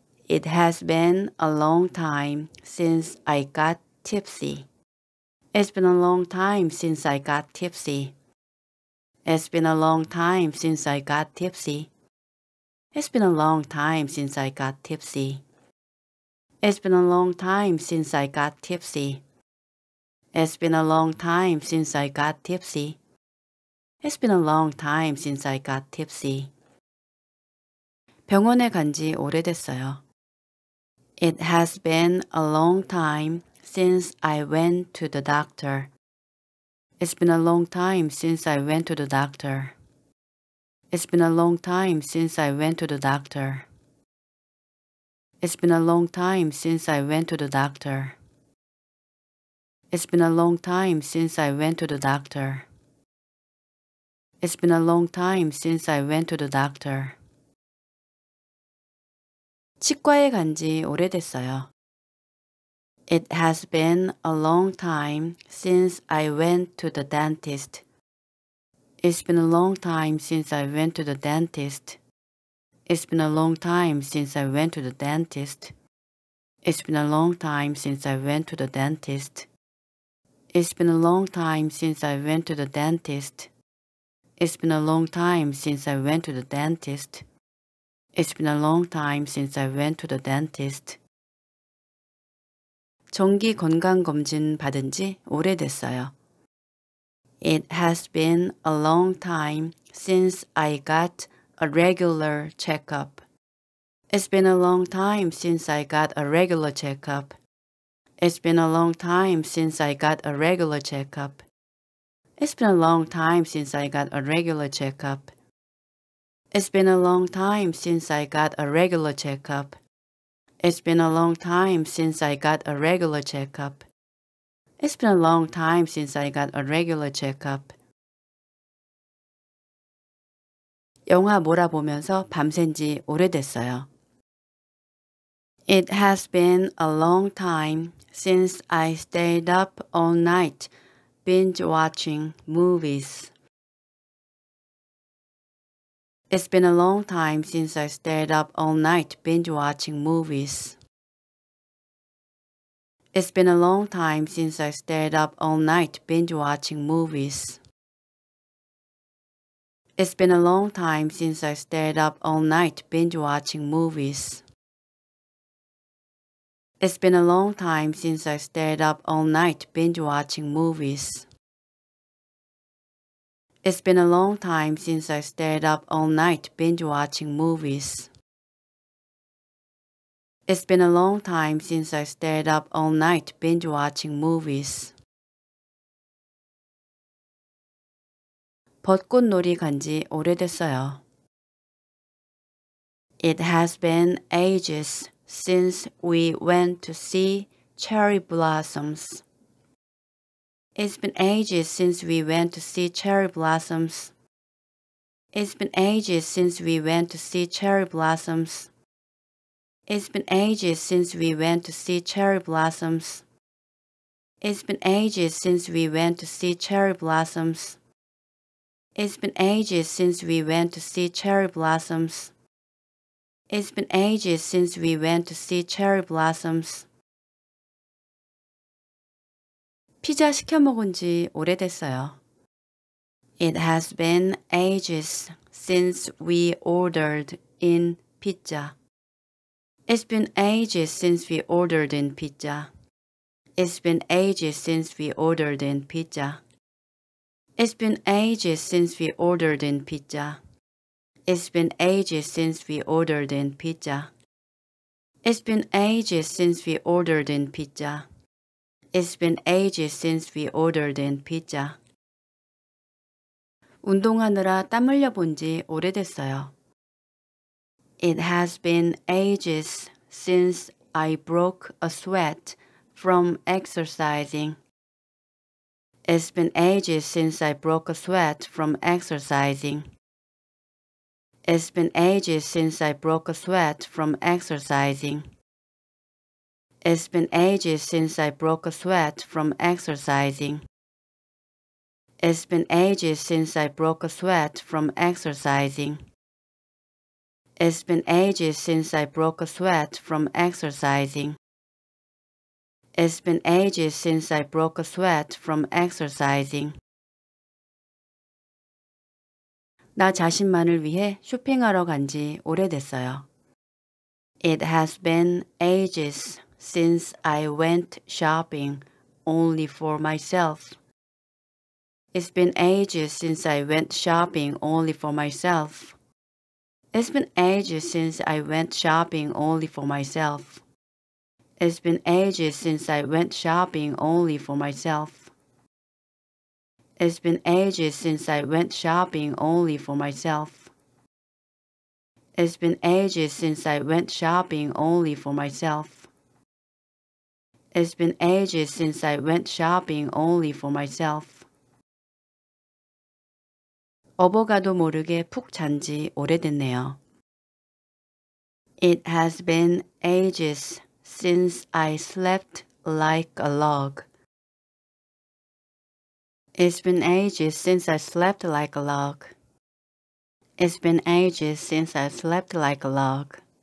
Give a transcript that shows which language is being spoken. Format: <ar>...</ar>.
<en>It has been a long time since I got tipsy. It's been a long time since I got tipsy. It's been a long time since I got tipsy. It's been a long time since I got tipsy. It's been a long time since I got tipsy. It's been a long time since I got tipsy. It's been a long time since I got tipsy.</en> <ko>병원에 간 지 오래됐어요.</ko> <en>It has been a long time since I went to the doctor. It's been a long time since I went to the doctor. It's been a long time since I went to the doctor. It's been a long time since I went to the doctor. It's been a long time since I went to the doctor. It's been a long time since I went to the doctor.</en> <ko>치과에 간 지 오래됐어요.</ko> <en>It has been a long time since I went to the dentist. It's been a long time since I went to the dentist. It's been a long time since I went to the dentist. It's been a long time since I went to the dentist. It's been a long time since I went to the dentist. It's been a long time since I went to the dentist. It's been a long time since I went to the dentist.</en> <ko>정기 건강검진 받은 지 오래됐어요.</ko> <en>It has been a long time since I got a regular checkup. It's been a long time since I got a regular checkup. It's been a long time since I got a regular checkup. It's been a long time since I got a regular checkup. It's been a long time since I got a regular checkup. It's been a long time since I got a regular checkup. It's been a long time since I got a regular checkup.</en> <ko>영화 몰아보면서 밤샌 지 오래됐어요.</ko> <en>It has been a long time since I stayed up all night binge-watching movies. It's been a long time since I stayed up all night binge-watching movies. It's been a long time since I stayed up all night binge-watching movies. It's been a long time since I stayed up all night binge-watching movies. It's been a long time since I stayed up all night binge-watching movies. It's been a long time since I stayed up all night binge-watching movies. It's been a long time since I stayed up all night binge-watching movies.</en> <ko>벚꽃놀이 간 지 오래됐어요.</ko> <en>It has been ages since we went to see cherry blossoms. It's been ages since we went to see cherry blossoms. It's been ages since we went to see cherry blossoms. It's been ages since we went to see cherry blossoms. It's been ages since we went to see cherry blossoms. It's been ages since we went to see cherry blossoms. It's been ages since we went to see cherry blossoms.</en> <ko>피자 시켜 먹은 지 오래됐어요.</ko> <en>It has been ages since we ordered in pizza. It's been ages since we ordered in pizza. It's been ages since we ordered in pizza. It's been ages since we ordered in pizza. It's been ages since we ordered in pizza. It's been ages since we ordered in pizza. It's been ages since we ordered in pizza.</en> <ko>운동하느라 땀 흘려 본 지 오래됐어요.</ko> <en>It has been ages since I broke a sweat from exercising. It's been ages since I broke a sweat from exercising. It's been ages since I broke a sweat from exercising. It's been ages since I broke a sweat from exercising. It's been ages since I broke a sweat from exercising. It's been ages since I broke a sweat from exercising. It's been ages since I broke a sweat from exercising.</en> <ko>나 자신만을 위해 쇼핑하러 간 지 오래됐어요.</ko> <en>It has been ages since I went shopping only for myself. It's been ages since I went shopping only for myself. It's been ages since I went shopping only for myself. It's been ages since I went shopping only for myself. It's been ages since I went shopping only for myself. It's been ages since I went shopping only for myself. It's been ages since I went shopping only for myself.</en> <ko>어버가도 모르게 푹 잔 지 오래됐네요.</ko> <en>It has been ages since I slept like a log. It's been ages since I slept like a log. It's been ages since I slept like a log.</en>